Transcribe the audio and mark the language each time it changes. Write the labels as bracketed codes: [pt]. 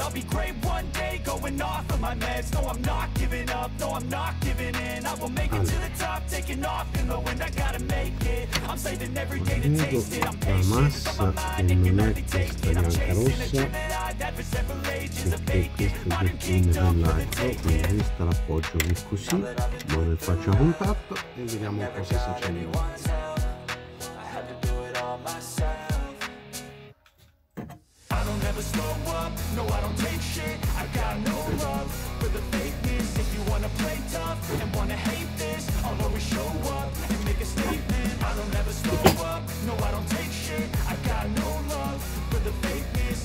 [en] I'll be great one day, going off of my meds. No, I'm not giving up, no, I'm not giving in. I will make it to the top, taking off in the wind. I gotta make it, I'm saving every day to taste it. I'm patient, but my mind ain't gonna be taken. I'm chasing a dream that I've had for several ages of bacon. Modern kingdom for the taking. [it] Quindi questa l'appoggio qui così, dove faccio contatto e vediamo cosa succede. [en] I don't ever slow up, no I don't take shit. I've got no love for the fakeness. If you wanna play tough and wanna hate this, I'll always show up and make a statement. I don't ever slow up, no I don't take shit. I've got no love for the fakeness.